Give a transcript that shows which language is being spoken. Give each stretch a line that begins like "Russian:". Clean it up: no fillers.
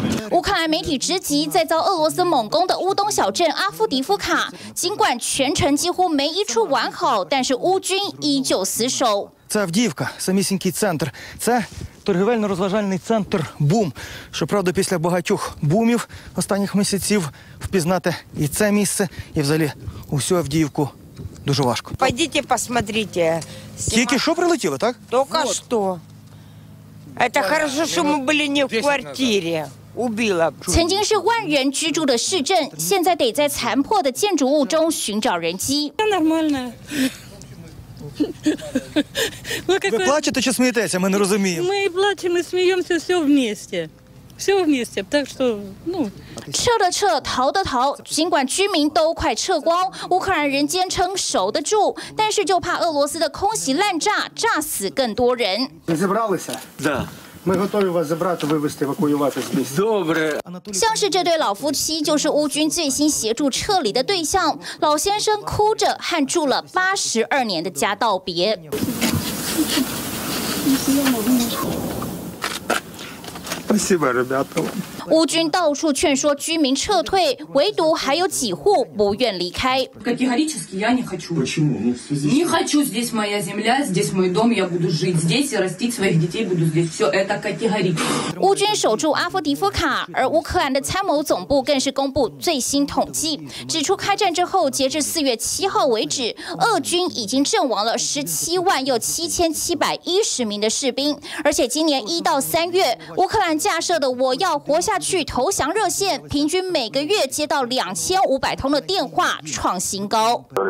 Chinese: 乌克兰媒体直击，在遭俄罗斯猛攻的乌东小镇阿夫迪夫卡，尽管全城几乎没一处完好，但是乌军依旧死守。
Ukrainian: Авдіївка, самісінький центр. Це торгівельно-розважальний центр «Бум». Щоправда, після багатьох бумів останніх місяців впізнати і це місце, і взагалі усю Авдіївку дуже важко. Пойдіть,
Russian: посмотрите.
Ukrainian: Тільки що прилетіло, так? Тільки що. Це добре, що ми були не в квартирі.
Russian: Убила。
Chinese: 曾经是万人居住的市镇，现在得在残破的建筑物中寻找人迹。
Ukrainian: Ви плачете чи смієтеся? Ми не розуміємо. Ми плачемо, сміємося,
Russian: все вместе. Все вместе,
Ukrainian: так що,
Russian: ну...
Chinese: 撤的撤，逃的逃，尽管居民都快撤光，乌克兰人坚称守得住，但是就怕俄罗斯的空袭滥炸，炸死更多人。
Ukrainian: Ви зібралися?
Russian: Да.
Ukrainian: Ми готові вас забрати, вивезти, евакуювати з місця. Добре.
Chinese: 像是这对老夫妻就是乌军最新协助撤离的对象。老先生哭着和住了82年的家道别。
Russian: Спасибо, ребята.
Chinese: 乌军到处劝说居民撤退，唯独还有几户不愿离开。
Russian: Категорически я не хочу. Почему? Не хочу. Здесь моя земля, здесь мой дом. Я буду жить здесь и растить своих детей. Буду здесь. Все это категорично.
Chinese: 乌军守住阿夫迪夫卡，而乌克兰的参谋总部更是公布最新统计，指出开战之后，截至4月7号为止，俄军已经阵亡了17万7710名的士兵，而且今年1到3月，乌克兰架设的“我要活”下去投降热线，平均每个月接到2500通的电话，创新高。